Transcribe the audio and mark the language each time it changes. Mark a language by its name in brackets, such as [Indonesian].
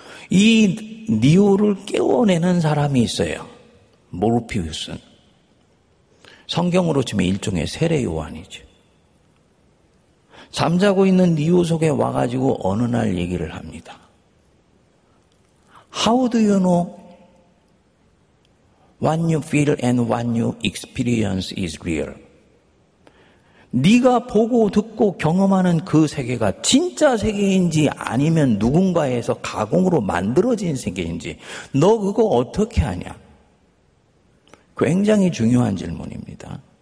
[Korean] 이 니오를 깨워내는 사람이 있어요. 모르피우스는. 성경으로 치면 일종의 세례요한이죠. 잠자고 있는 니오 속에 와가지고 어느 날 얘기를 합니다. [English] How do you know what you feel and what you experience is real? [Korean] 네가 보고 듣고 경험하는 그 세계가 진짜 세계인지 아니면 누군가에서 가공으로 만들어진 세계인지 너 그거 어떻게 아냐? 굉장히 중요한 질문입니다.